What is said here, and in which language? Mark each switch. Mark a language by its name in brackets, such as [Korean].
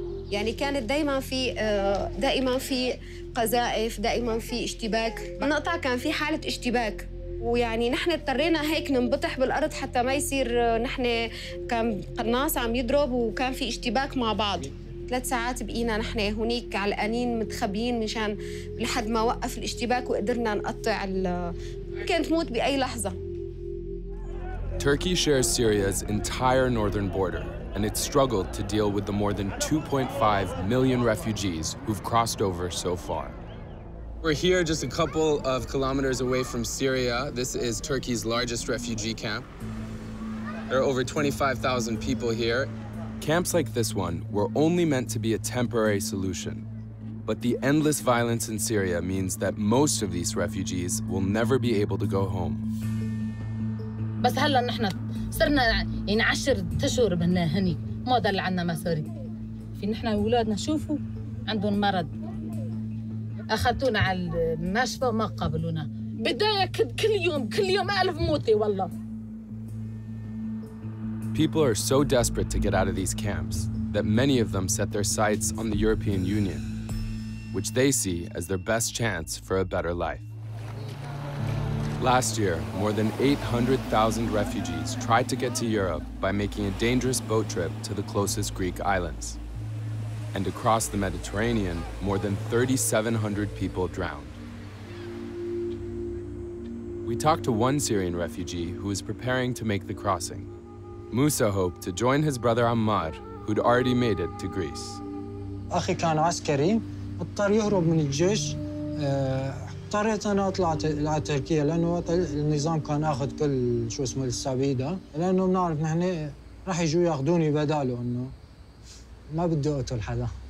[Arabic] يعني كانت دائما في قذائف دائما في اشتباك منقطع كان في حالة اشتباك ويعني نحن اضطرينا هيك ننبطح بالأرض حتى ما يصير نحن كان قناص عم يضرب وكان في اشتباك مع بعض ثلاث ساعات بقينا نحن هنيك علقانين متخبيين مشان لحد ما وقف الاشتباك وقدرنا نقطع كانت موت بأي لحظة. [English] Turkey shares Syria's entire northern border. And it's struggled to deal with the more than 2.5 million refugees who've crossed over so far. We're here just a couple of kilometers away from Syria. This is Turkey's largest refugee camp. There are over 25,000 people here. Camps like this one were only meant to be a temporary solution. But the endless violence in Syria means that most of these refugees will never be able to go home. [Arabic] بس هلا نحن صرنا يعني 10 اشهر من هني ما ضل عندنا مصاري في نحن اولادنا شوفوا عندهم مرض اخذتونا على المشفى ما قابلونا بدايه كل يوم 1000 موتي والله. [English] People are so desperate to get out of these camps that many of them set their sights on the European Union, which they see as their best chance for a better life. Last year, more than 800,000 refugees tried to get to Europe by making a dangerous boat trip to the closest Greek islands. And across the Mediterranean, more than 3,700 people drowned. We talked to one Syrian refugee who was preparing to make the crossing. Musa hoped to join his brother Ammar, who'd already made it to Greece. [Arabic] أخي كان عسكري اضطر يهرب من الجيش. اضطريت انا اطلع على تركيا لانه النظام كان اخذ كل شو اسمه السبيده لانه بنعرف نحن راح يجوا ياخذوني بداله انه ما بدي اقتل حدا